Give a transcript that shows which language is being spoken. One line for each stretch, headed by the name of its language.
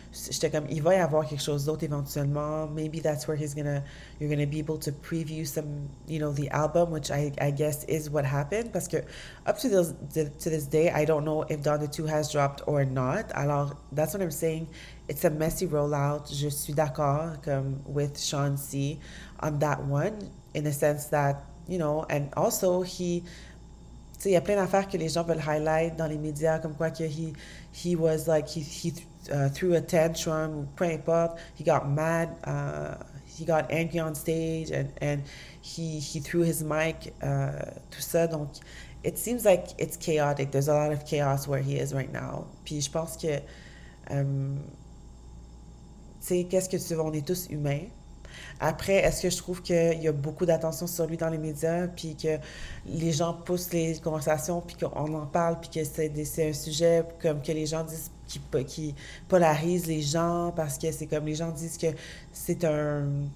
French: J'étais comme, il va y avoir quelque chose d'autre éventuellement.
English: Maybe that's where you're gonna be able to preview some, you know, the album, which I guess is what happened.
French: Parce que,
English: up to this day, I don't know if Donda 2 has dropped or not. Alors, that's what I'm saying. It's a messy rollout.
French: Je suis d'accord, comme,
English: with Sean C on that one, in the sense that, you know, and also he.
French: Tu sais, il y a plein d'affaires que les gens veulent highlight dans les médias, comme quoi que
English: he was like, he threw a tantrum,
French: ou peu importe.
English: He got mad, he got angry on stage, and he threw his mic,
French: tout ça.
English: Donc, it seems like it's chaotic. There's a lot of chaos where he is right now.
French: Puis je pense que, tu sais, qu'est-ce que tu veux? On est tous humains. Après, est-ce que je trouve qu'il y a beaucoup d'attention sur lui dans les médias, puis que les gens poussent les conversations, puis qu'on en parle, puis que c'est un sujet comme que les gens disent qui polarise les gens, parce que c'est comme les gens disent que c'est un.